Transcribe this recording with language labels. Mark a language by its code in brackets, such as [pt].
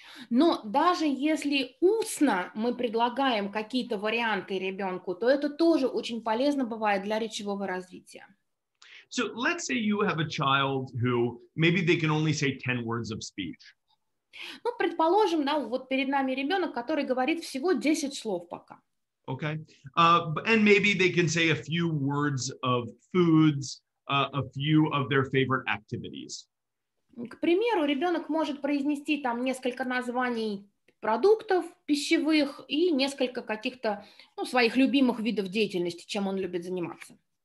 [ru] Но даже если устно мы предлагаем какие-то варианты ребенку, то это тоже очень полезно бывает для речевого развития. [en] So let's say you have a child who maybe they can only say 10 words of speech. [ru] Ну, предположим, да, вот перед нами ребенок, который говорит всего 10 слов пока. [en] Okay. And maybe they can say a few words of foods. A few of their favorite activities. [ru] К примеру, ребенок может произнести там несколько названий продуктов пищевых и несколько каких-то, ну, своих любимых видов деятельности, чем он любит заниматься.